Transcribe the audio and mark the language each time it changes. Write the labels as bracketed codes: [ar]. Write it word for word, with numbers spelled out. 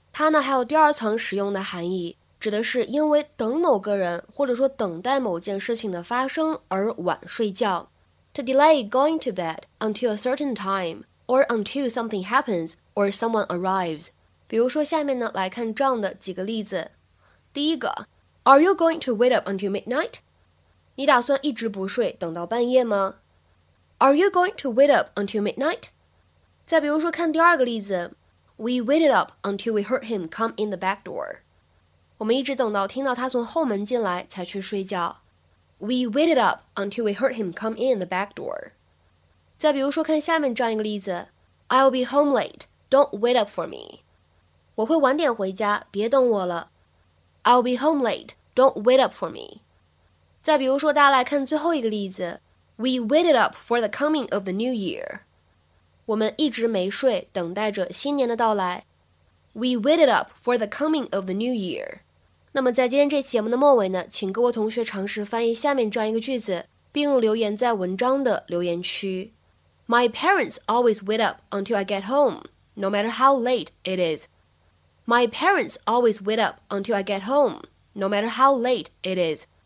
[zh] 它呢还有第二层使用的含义。指的是因为等某个人或者说等待某件事情的发生而晚睡觉。 [en] To delay going to bed until a certain time, or until something happens, or someone arrives. [zh] 比如说下面呢来看这样的几个例子。第一个 [en] Are you going to wait up until midnight? [zh] 你打算一直不睡等到半夜吗？ [en] Are you going to wait up until midnight? [zh] 再比如说看第二个例子 [en] We waited up until we heard him come in the back door. [zh] 我们一直等到听到他从后门进来才去睡觉。 [en] We waited up until we heard him come in the back door. [zh] 再比如说看下面这样一个例子 [en] I'll be home late. Don't wait up for me. [zh] 我会晚点回家，别等我了。 [en] I'll be home late. Don't wait up for me. [zh] 再比如说大家来看最后一个例子 [en] We waited up for the coming of the new year. [zh] 我们一直没睡，等待着新年的到来。 [en] We waited up for the coming of the new year. [zh] 那么在今天这期节目的末尾呢，请各位同学尝试翻译下面这样一个句子，并留言在文章的留言区。 [en] My parents always wait up until I get home, no matter how late it is. My parents always wait up until I get home, no matter how late it is.